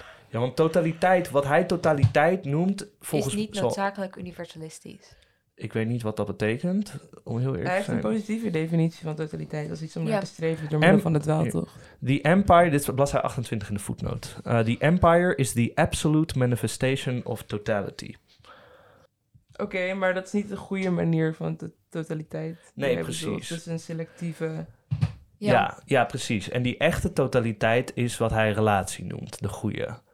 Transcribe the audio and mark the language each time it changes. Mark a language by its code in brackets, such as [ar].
[nl] Ja, want totaliteit, wat hij totaliteit noemt, volgens mij is niet noodzakelijk universalistisch. Ik weet niet wat dat betekent, om heel eerlijk te zijn. Hij heeft een positieve definitie van totaliteit als iets om naar te streven door middel van de dwaaltocht. The empire, dit is bladzij 28 in de voetnoot. [en] The empire is the absolute manifestation of totality. [nl] Oké, maar dat is niet de goede manier van de totaliteit. Nee, precies. Het is een selectieve. Ja, precies. En die echte totaliteit is wat hij relatie noemt, de goede.